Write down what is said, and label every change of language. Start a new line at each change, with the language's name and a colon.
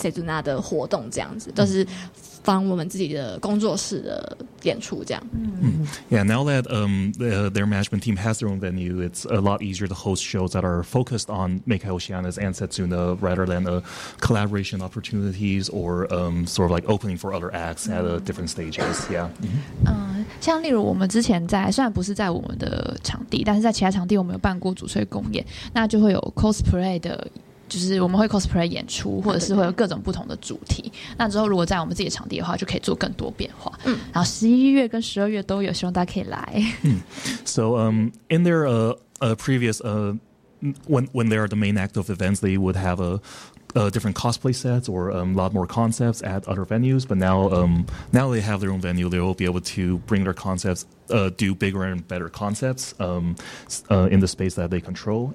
Chinese: 有机会的话应该会举办就是比较多我们自己跟Sezuna的活动这样子,就是
English: Yeah, now that their management team has their own venue, it's a lot easier to host shows that are focused on Mekhi Oceanus and Setsuna rather than collaboration opportunities or sort of like opening for other acts at different stages. Yeah. Mm-hmm.
Chinese: 像例如我们之前在虽然不是在我们的场地，但是在其他场地我们有办过主催公演，那就会有 cosplay 的。就是我们会 cosplay 演出，或者是会有各种不同的主题。那之后如果在我们自己的场地的话，就可以做更多变化。嗯，然后 11月跟12月都有，希望大家可以来。嗯，
English: So in their previous when they are the main act of events, they would have a different cosplay sets or a lot more concepts at other venues. But now they have their own venue, they will be able to bring their concepts, do bigger and better concepts in the space that they control.